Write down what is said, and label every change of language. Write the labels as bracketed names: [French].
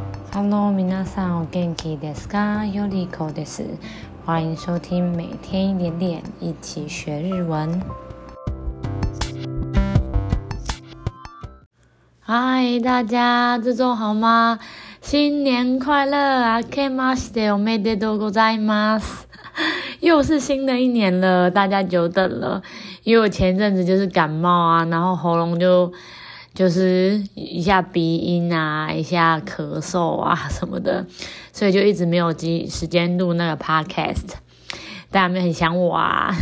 [Japanese] 哈喽皆さん、お元気ですか？ヨリコです。 [Chinese] 欢迎收听每天一点点，一起学日文。嗨，大家，这周好吗？新年快乐！ [Japanese] 明けましておめでとうございます。 [Chinese] 又是新的一年了，大家久等了。因为我前阵子就是感冒啊，然后喉咙就是一下鼻音啊，一下咳嗽啊什么的，所以就一直没有时间录那个 podcast， 大家没有很想我啊。